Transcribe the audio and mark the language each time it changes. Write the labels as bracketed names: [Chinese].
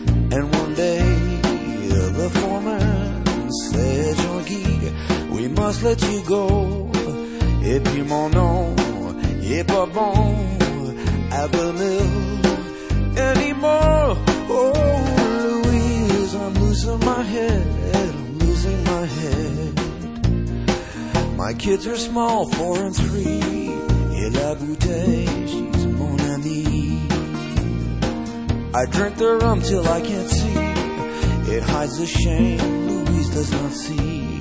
[English] And one day, the foreman said, Jean-Guy, we must let you go. [French] Et puis mon nom est pas bon [English] at the mill anymore. Oh, Louise, I'm losing my head, I'm losing my head. My kids are small, 4 and 3. [French] Et la bouteille, [English] she's [French] mon ami. [English] I drink the rum till I can't see. It hides the shame Louise does not see.